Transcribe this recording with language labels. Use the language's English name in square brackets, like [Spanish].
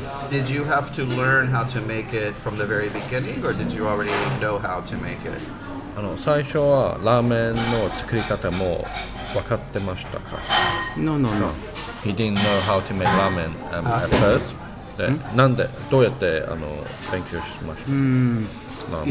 [English] Did you have to learn how to make it from the very beginning, or did you already know how to make it? [Japanese] 最初はラーメンの作り方も分かってましたか? [English] No, no, no. He didn't know how to make ramen at first. [Japanese] で、なんで、どうやって勉強しました?